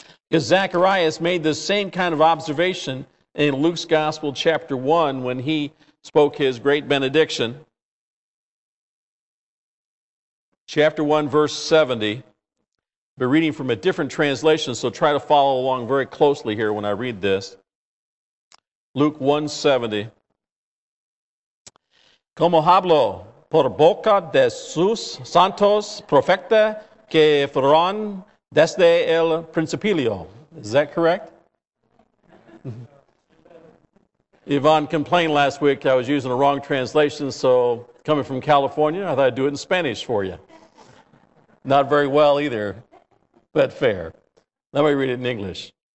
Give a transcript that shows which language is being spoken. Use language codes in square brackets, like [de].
[en] Because Zacharias made this same kind of observation in Luke's gospel chapter 1 when he spoke his great benediction. Chapter 1, verse 70. Be reading from a different translation, so try to follow along very closely here when I read this. Luke 1:70. [es] Como hablo por boca de sus santos profetas que fueron desde el principio. [en] Is that correct? Yvonne complained last week I was using a wrong translation, so coming from California, I thought I'd do it in Spanish for you. Not very well either. But fair. Let me read it in English.